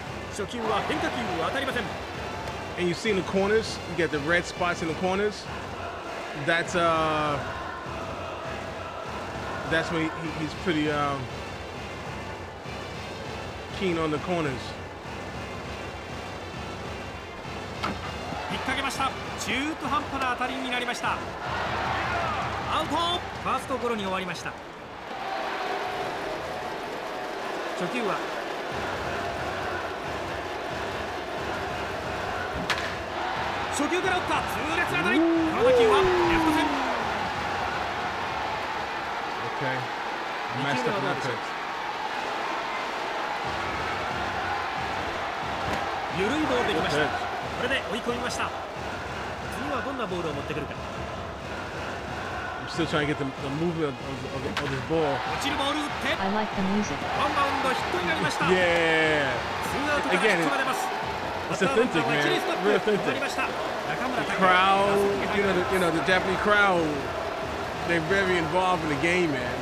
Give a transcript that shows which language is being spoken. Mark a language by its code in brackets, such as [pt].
[ja] 初球は変化球当たりません。 [en] And you see in the corners, you get the red spots in the corners. That's, That's when he's pretty keen on the corners. [ja] 引っ掛けました。中途半端な当たりになりました。アウト。ファーストゴロに終わりました。初球は。初球から打った。痛烈な当たり。この打球はレフト線。 [en] Okay. Messed up that pitch. [ja] 緩いボールできました。これで追い込みました。次はどんなボールを持ってくるか。 [en] I'm still trying to get the movement of this ball. I like the music. One bound hit. Yeah. Again, it's authentic, man. Real authentic. The crowd, the Japanese crowd, they're very involved in the game, man.